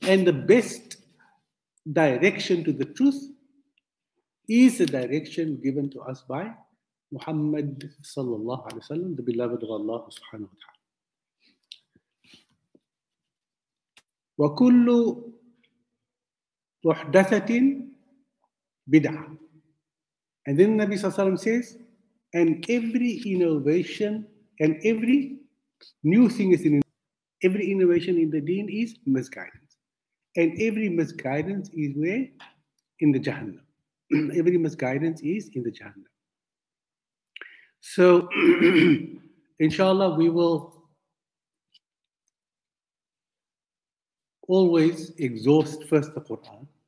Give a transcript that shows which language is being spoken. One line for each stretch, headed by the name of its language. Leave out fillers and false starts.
English: And the best direction to the truth is the direction given to us by Muhammad صلى الله عليه وسلم, the beloved of Allah subhanahu wa ta'ala.
Arabic: وَكُلُّ مُحْدَثَةٍ bid'ah.
English: And then Nabi Sallallahu Alaihi Wasallam says, and every innovation and every new thing is in every innovation in the deen is misguidance. And every misguidance is where? In the Jahannam. Every misguidance is in the Jahannam. So, inshallah, we will always exhaust first the Quran.